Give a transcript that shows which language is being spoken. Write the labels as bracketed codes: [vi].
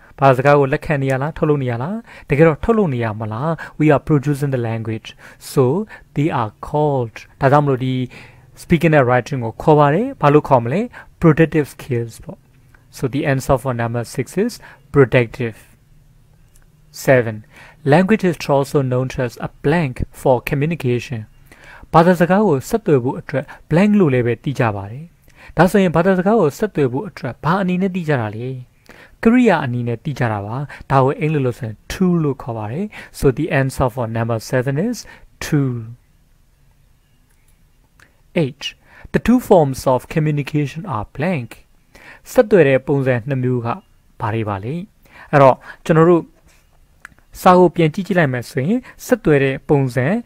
[my] ဘာသာစကားကိုလက်ခံနေရလားထုတ်လုပ်နေရလားတကယ်တော့ထုတ်လုပ်နေရမလား [en] We are producing the language. So they are called [my] ဒါကြောင့်မလို့ဒီ speaking and writing ကိုခေါ်ပါတယ်ဘာလို့ခေါ်မလဲ productive skills ပေါ့ [en] So the answer for number 6 is productive. 7. Language is also known as a blank for communication. [my] ဘာသာစကားကိုဆက်သွယ်ဖို့အတွက် blank လို့လည်းပဲသိကြပါတယ်ဒါဆိုရင်ဘာသာစကားကိုဆက်သွယ်ဖို့အတွက်ဘာအနေနဲ့တည်ကြတာလဲကရိယာအနေနဲ့တည်ကြတာပါဒါကိုအင်္ဂလိပ်လိုဆိုရင် to လို့ခေါ်ပါတယ် [en] so the answer for number 7 is to 8 the two forms of communication are blank [my] ဆက်သွယ်တဲ့ပုံစံနှစ်မျိုးကဘာတွေပါလဲအဲ့တော့ကျွန်တော်တို့စာကိုပြန်ကြည့်ကြည့်လိုက်မယ်ဆိုရင်ဆက်သွယ်တဲ့ပုံစံ